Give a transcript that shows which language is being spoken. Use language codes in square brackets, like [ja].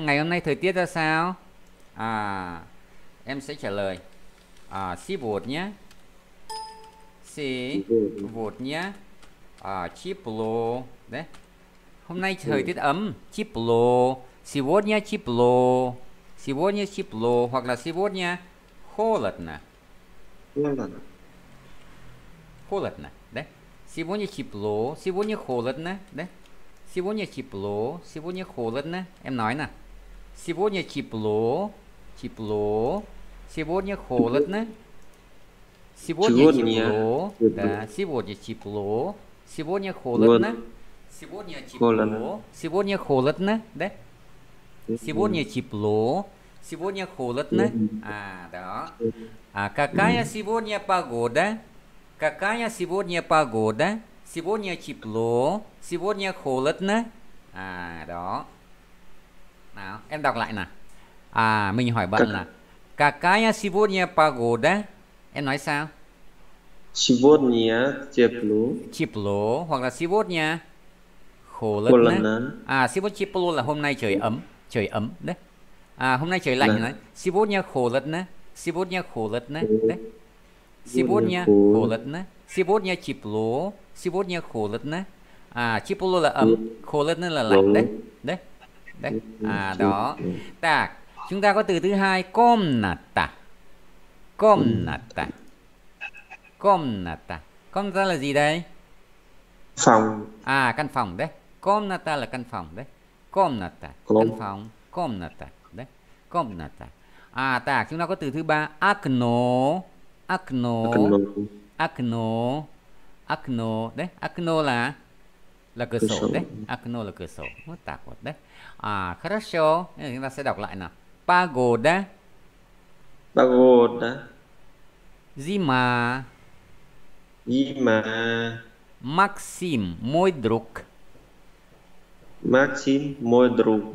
[vi] Ngày hôm nay thời tiết ra sao? À, em sẽ trả lời. À, сегодня. [ru] Сегодня. À, тепло. Đấy. [vi] Hôm nay thời tiết ấm, тепло. [ru] Сегодня тепло. Сегодня тепло [vi] hoặc là [ru] сегодня холодно. Холодно, да? Сегодня тепло, сегодня холодно, да? Сегодня тепло, сегодня холодно. [vi] Em nói nè. [ru] Сегодня тепло, тепло. Сегодня холодно. Сегодня тепло. Да, сегодня тепло. Сегодня холодно. Сегодня тепло. Сегодня холодно, да? Сегодня тепло. Сегодня холодно. А, да. А какая сегодня погода? Какая сегодня погода? Сегодня тепло. Сегодня холодно. А, да. [vi] Nào, em đọc lại nào. À, mình hỏi bạn là [ru] какая сегодня погода? [vi] Em nói sao? [ru] Сегодня тепло. Тепло [vi] hoặc là [ru] сегодня холодно. [vi] À, [ru] сегодня тепло [vi] là hôm nay trời ấm đấy. À, hôm nay trời lạnh đấy. [ru] Сегодня холодно. Сегодня холодно, đấy. Сегодня холодно. Сегодня тепло. Сегодня холодно. À, тепло là ấm, холодно là lạnh đấy. Đấy. Đấy. À đó. [vi] Так, chúng ta có từ thứ hai комната. [ru] Комната. Комната. [vi] Комната là gì đây? Phòng. À căn phòng đấy. Комната là căn phòng đấy. [ru] Комната. [vi] Căn phòng. [ru] Комната. Đấy. Комната. [vi] À так, chúng ta có từ thứ ba окно. [ru] Окно. Окно. Окно. [vi] Đấy, окно là cửa sổ đấy. Окно là cửa sổ. [ru] Вот так вот, đấy. [vi] À, хорошо. Chúng ta sẽ đọc lại nào. Pagoda. [ru] Pagoda. Zima. Zima. Maxim, мой друг. Maxim, мой друг.